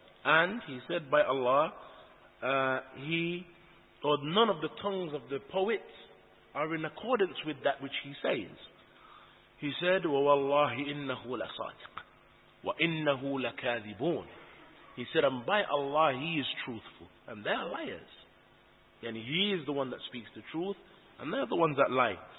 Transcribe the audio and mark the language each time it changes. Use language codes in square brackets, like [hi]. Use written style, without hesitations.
[en] And he said, by Allah, none of the tongues of the poets are in accordance with that which he says. He said, [ar] وَوَاللَّهِ إِنَّهُ لَصَادِقٌ وَإِنَّهُ لَكَاذِبُونَ. [en] He said, and by Allah, he is truthful, and they are liars. And he is the one that speaks the truth, and they are the ones that lie.